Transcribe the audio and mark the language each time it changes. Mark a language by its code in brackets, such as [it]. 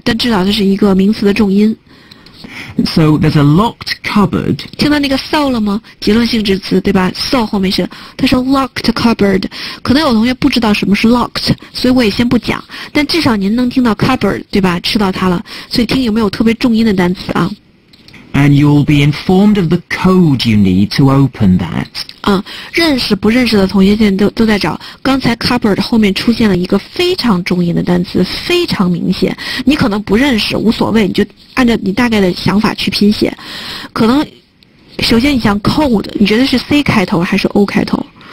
[zh] 但至少这是一个名词的重音。 [en] So there's a locked cupboard. [zh] 听到那个 so 了吗？结论性之词，对吧 ？So 后面是，它是 [en] locked cupboard. [zh] 可能有同学不知道什么是 locked, 所以我也先不讲。但至少您能听到 cupboard, 对吧？吃到它了，所以听有没有特别重音的单词啊 [en] ？And you'll be informed of the code you need to open that. [zh] 认识不认识的同学现在都在找。刚才 cupboard 后面出现了一个非常重音的单词，非常明显。你可能不认识，无所谓，你就。按照你大概的想法去拼写，可能首先你想 code, 你觉得是 C 开头还是 O 开头？